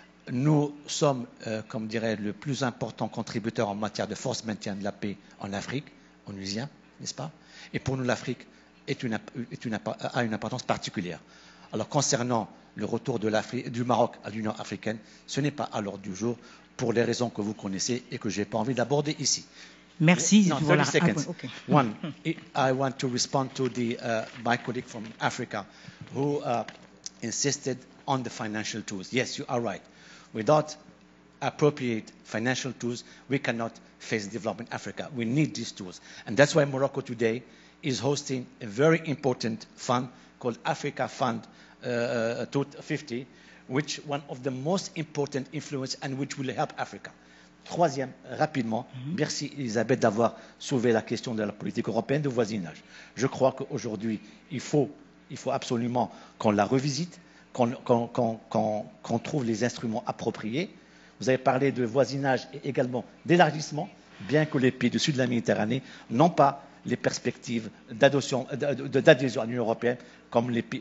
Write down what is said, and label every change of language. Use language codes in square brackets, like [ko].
[fr] Nous sommes, le plus important contributeur en matière de force maintien de la paix en Afrique, en Tunisie, n'est-ce pas? Et pour nous, l'Afrique a une importance particulière. Alors, concernant le retour de l'Afrique, du Maroc à l'Union africaine, ce n'est pas à l'ordre du jour pour les raisons que vous connaissez et que je n'ai pas envie d'aborder ici. Merci. [en] One, I want to respond to my colleague from Africa who insisted on the financial tools. Yes, you are right. Without appropriate financial tools, we cannot face development in Africa. We need these tools. And that's why Morocco today is hosting a very important fund called Africa Fund 250, which one of the most important influence and which will help Africa. [fr] Troisième, rapidement, merci Elisabeth d'avoir soulevé la question de la politique européenne de voisinage. Je crois qu'aujourd'hui, il faut absolument qu'on la revisite, qu'on trouve les instruments appropriés. Vous avez parlé de voisinage et également d'élargissement, bien que les pays du sud de la Méditerranée n'ont pas les perspectives d'adhésion à l'Union européenne comme les pays.